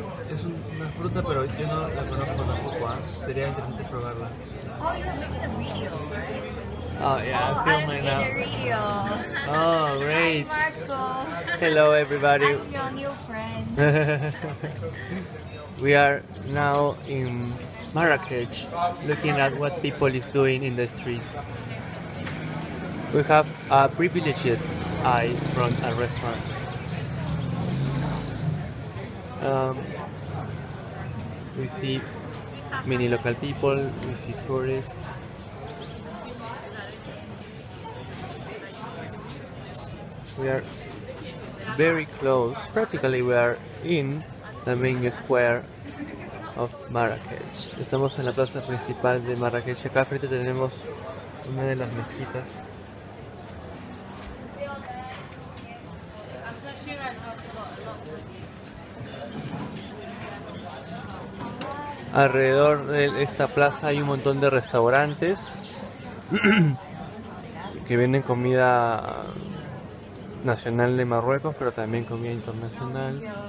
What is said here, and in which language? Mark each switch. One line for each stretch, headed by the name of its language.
Spanish: Es una fruta, pero yo no la conozco tampoco. ¿Eh? Sería interesante probarla.
English: Oh, you're making a video, right? Oh yeah, oh, I'm filming now. Video. Oh, great. Hi, Marco. Hello, everybody. I'm your new friend. We are now in Marrakech, looking at what people is doing in the streets. We have a privileged eye from a restaurant. We see many local people, we see tourists. We are very close, practically we are in the main square of Marrakech.
Spanish: Estamos en la plaza principal de Marrakech. Acá frente tenemos una de las mezquitas. Alrededor de esta plaza hay un montón de restaurantes que venden comida nacional de Marruecos, pero también comida internacional.